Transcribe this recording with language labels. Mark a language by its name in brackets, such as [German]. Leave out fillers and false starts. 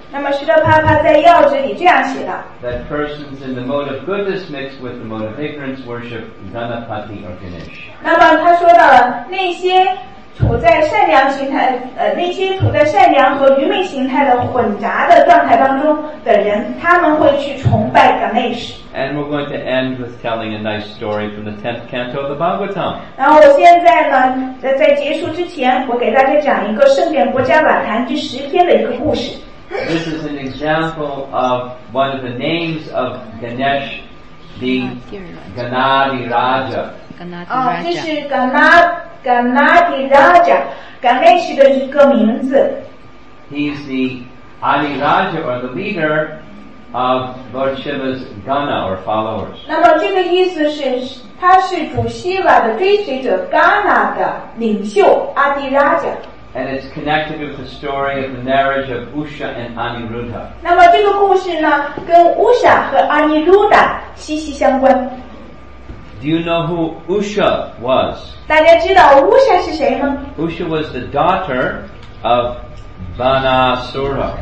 [Chinese] 那么释迦牟尼佛在要旨里这样写的。 [English] That persons in the mode of goodness mixed with the mode of ignorance worship Ganapati or Ganesh. [Chinese] 那么他说到了那些处在善良形态，那些处在善良和愚昧形态的混杂的状态当中的人，他们会去崇拜 Ganesh。 [English] And we're going to end with telling a nice story from the 10th canto of the Bhagavatam. [Chinese] 然后我现在呢，在结束之前，我给大家讲一个《圣典国家晚谈》第十篇的一个故事。 [English] This is an example of one of the names of Ganesh, the Ganadi Raja. [Chinese] 这是 Ganadi Raja, Ganesh 的一个名字。 [English] He's the Adi Raja or the leader. Of Lord Shiva's Gana or followers. [Chinese] 那么这个意思是，他是主希瓦的追随者 ，Gana 的领袖阿迪拉贾。 [English] And it's connected with the story of the marriage of Usha and Aniruddha. [Chinese] 那么这个故事呢，跟 Usha 和 Aniruddha 息息相关。 [English] Do you know who Usha was? [Chinese] 大家知道 Usha 是谁吗 [English] ？Usha was the daughter of. Banasura.